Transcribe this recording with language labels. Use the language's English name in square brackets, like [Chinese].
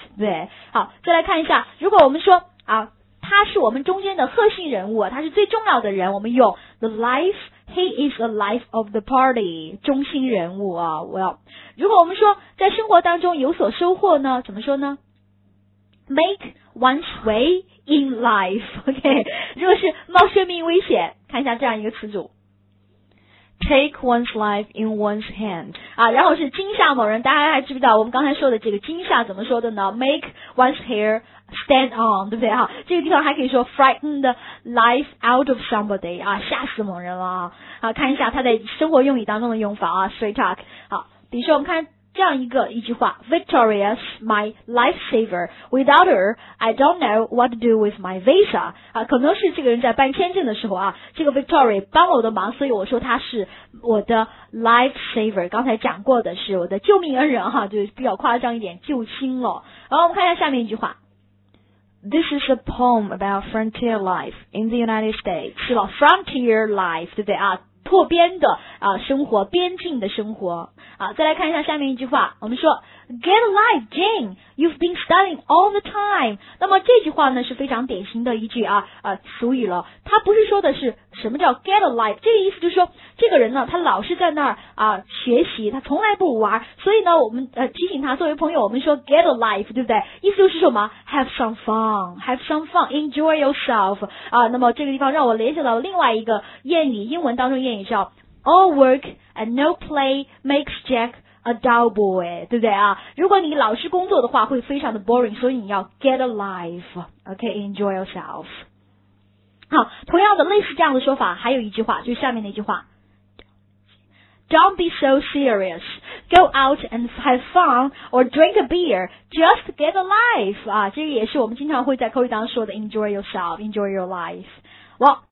[Chinese] 对，好，再来看一下，如果我们说啊，他是我们中间的核心人物，他是最重要的人，我们用 the life, [English] he is the life of the party, [Chinese] 中心人物啊。 Well, 如果我们说在生活当中有所收获呢，怎么说呢？ [English] make one's way in life, [Chinese] OK, 如果是冒生命危险，看一下这样一个词组。 [English] Take one's life in one's hand. [Chinese] 啊，然后是惊吓某人，大家还知不知道我们刚才说的这个惊吓怎么说的呢？ [English] Make one's hair stand on, [Chinese] 对不对啊？这个地方还可以说 [English] frighten the life out of somebody, [Chinese] 啊，吓死某人了啊。好，看一下他在生活用语当中的用法啊， straight talk. 好，比如说我们看这样一句话， [English] Victoria's my lifesaver. Without her, I don't know what to do with my visa. [Chinese] 啊，可能是这个人在办签证的时候啊，这个 Victoria 帮了我的忙，所以我说他是我的 lifesaver. 刚才讲过的是我的救命恩人哈，就比较夸张一点，救星了。然后我们看一下下面一句话。 [English] This is a poem about frontier life in the United States. [Chinese] 是吧 ,frontier life, 对不对啊，破边的啊生活，边境的生活。好，再来看一下下面一句话，我们说 [English] Get a life, Jane, you've been studying all the time. [Chinese] 那么这句话呢是非常典型的一句啊俗语了，它不是说的是什么叫 get a life, 这个意思就是说这个人呢他老是在那儿啊学习，他从来不玩，所以呢我们提醒他，作为朋友我们说 get a life, 对不对，意思就是什么 [English] have some fun, enjoy yourself, [Chinese] 啊，那么这个地方让我联想到另外一个谚语，英文当中谚语叫 [English] All work and no play makes Jack a dull boy, [Chinese] 对不对啊？如果你老是工作的话，会非常的 boring, 所以你要 get a life, [English] okay, enjoy yourself. [Chinese] 好，同样的类似这样的说法，还有一句话，就是下面那句话。 [English] Don't be so serious. Go out and have fun or drink a beer. Just get a life. [Chinese] 啊，这也是我们经常会在口语当中说的 [English] enjoy yourself, enjoy your life. Well,